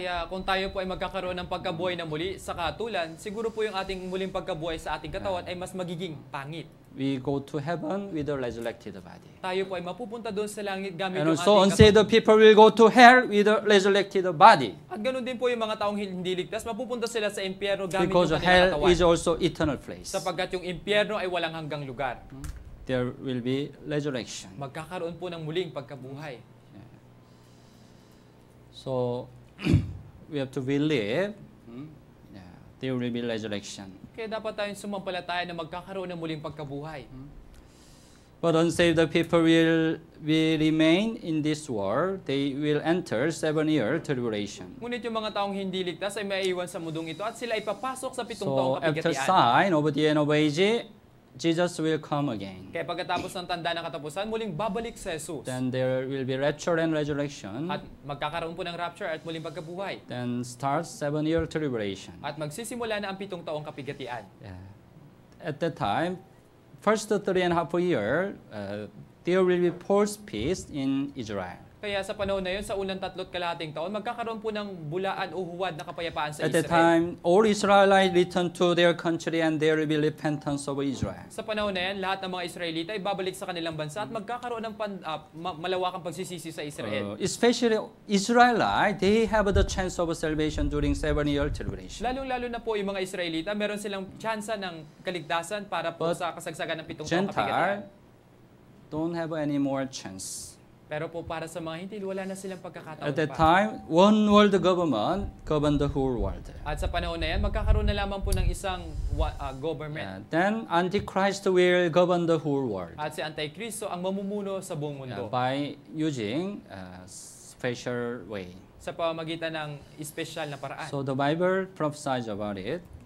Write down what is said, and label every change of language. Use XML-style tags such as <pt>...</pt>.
<tl>Kaya kung tayo po ay magkakaroon ng pagkabuhay na muli sa kahatulan, siguro po yung ating muling pagkabuhay sa ating katawan ay mas magiging pangit.</tl> <en>We go to heaven with a resurrected body.</en> <tl>Tayo po ay mapupunta doon sa langit gamit ang ating kapatid.</tl> <en>And so unsaved people will go to hell with a resurrected body.</en> <tl>At ganun din po yung mga taong hindi ligtas, mapupunta sila sa impyerno gamit ang kanilang katawan.</tl> <en>Because hell is also eternal place.</en> <tl>Sapagkat yung impyerno ay walang hanggang lugar.</tl> <en>There will be resurrection.</en> <tl>Magkakaroon po ng muling pagkabuhay.</tl> <en>Yeah. So, we have to believe. Yeah. there will be resurrection.</en> <tl>Kaya dapat tayong sumampalataya na magkakaroon ng muling pagkabuhay.</tl> <en>But unsaved people will remain in this world. They will enter 7-year tribulation.</en> <tl>Ngunit yung mga taong hindi ligtas ay maiiwan sa mundong ito at sila ay papasok sa 7 taong kapighatian.</tl> <en>So after sign of the end of age, Jesus will come again.</en> <tl>Kaya pagkatapos ng tanda ng katapusan, muling babalik si Jesus.</tl> <en>Then there will be rapture and resurrection.</en> <tl>At magkakaroon po ng rapture at muling pagkabuhay.</tl> <en>Then starts 7-year tribulation.</en> <tl>At magsisimula na ang 7 taong kapighatian.</tl> <en>Yeah. At that time, first 3.5 years, there will be forced peace in Israel.</en> <tl>Kaya sa panahon na yun, sa unang 3 kalahating taon, magkakaroon po ng bulaan o huwad na kapayapaan sa At Israel.</tl> <en>At that time, all Israelites return to their country and there will be repentance of Israel.</en> <tl>Sa panahon na yun, lahat ng mga Israelita ay babalik sa kanilang bansa at magkakaroon ng malawakang pagsisisi sa Israel.</tl> <en>Especially Israelites, they have the chance of salvation during 7-year tribulation.</en> <tl>Lalo-lalo na po yung mga Israelita, meron silang tsansa ng kaligtasan para po</tl> <en>But</en> <tl>sa kasagsagan ng 7 taong kapighatian.</tl> <en>Don't have any more chance.</en> <tl>Pero po para sa mga Hintil, wala na silang pagkakataon</tl> <en>At that time, one world government governed the whole world.</en> <tl>At sa panahon na yan, magkakaroon na lamang po ng isang government.</tl> <en>Then, Antichrist will govern the whole world.</en> <tl>At si Antichristo ang mamumuno sa buong mundo.</tl> <en>By using a special way.</en> <tl>Sa pamamagitan ng espesyal na paraan.</tl> <en>So the Bible prophesies about it.</en>